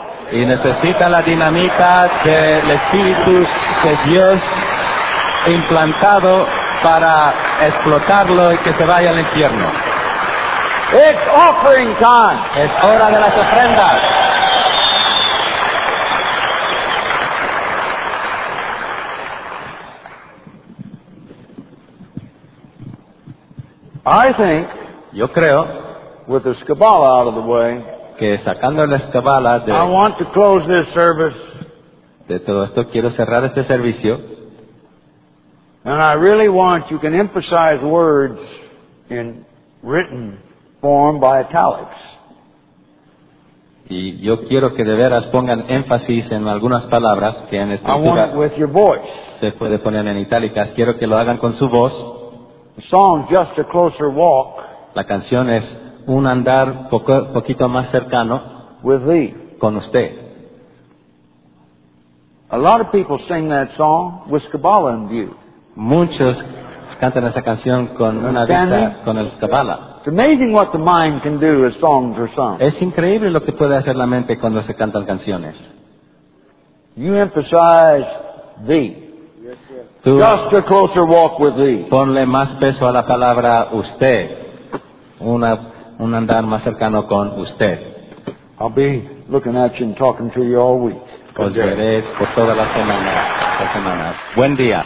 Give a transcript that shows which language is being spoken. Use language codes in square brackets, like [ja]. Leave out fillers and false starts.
[es] Y necesita la dinamita del Espíritu de Dios implantado para explotarlo y que se vaya al infierno. [en] It's offering time. [es] Es hora de las ofrendas. [en] I think, [es] yo creo, [en] with the Kabbalah out of the way, [es] que sacando la Kabbalah de, [en] I want to close this service. [es] De todo esto quiero cerrar este servicio. [en] And I really want, you can emphasize words in written form by italics. [es] Y yo quiero que de veras pongan énfasis en algunas palabras que en escritura. [en] I want it with your voice. [es] Se puede poner en itálicas. Quiero que lo hagan con su voz. [en] The song, Just a Closer Walk. [es] La canción es un andar poquito más cercano. [en] With thee. [es] Con usted. [en] A lot of people sing that song with Kabbalah in view. [es] Muchos cantan esa canción con una vista con el Kabbalah. [en] It's amazing what the mind can do as songs are sung. [es] Es increíble lo que puede hacer la mente cuando se cantan canciones. [en] You emphasize thee. Just a closer walk with thee. [es] Ponle más peso a la palabra usted. Un andar más cercano con usted. [en] I'll be looking at you and talking to you all week. [es] Os veré por toda la semana. Buen día.